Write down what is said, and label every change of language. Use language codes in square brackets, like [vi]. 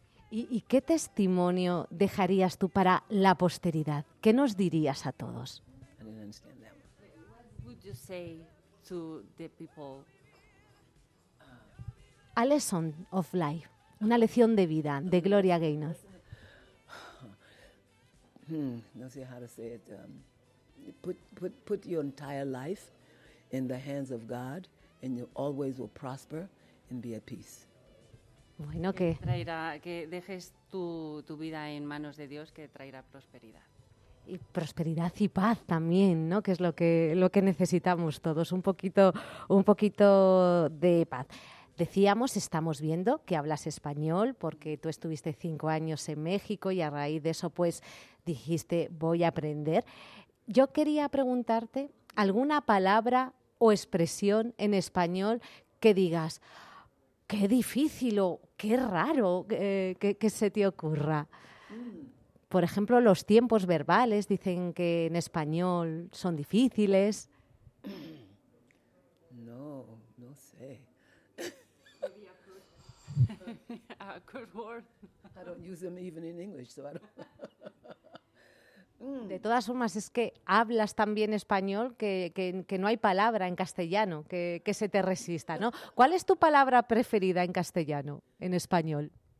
[es] ¿Y qué testimonio dejarías tú para la posteridad? ¿Qué nos dirías a todos? [en] I didn't understand that. What would you say to the people? A lesson of life, [es] una lección de vida de Gloria Gaynor. No sé [en] how to say it. Put your entire life in the hands of God and you always will prosper and be at peace. [es] Bueno, ¿qué? Que dejes tu vida en manos de Dios, que traerá prosperidad. Y prosperidad y paz también, ¿no? Que es lo que necesitamos todos, un poquito de paz. Decíamos, estamos viendo que hablas español porque tú estuviste 5 años en México y a raíz de eso pues dijiste voy a aprender. Yo quería preguntarte alguna palabra o expresión en español que digas, qué difícil o qué raro que se te ocurra. Por ejemplo, los tiempos verbales dicen que en español son difíciles. No sé. [en] A good word. I don't use them even in English, so I don't. [es] De todas formas, es que hablas tan bien español que no hay palabra en castellano que se te resista, ¿no? ¿Cuál es tu palabra preferida en castellano, en español?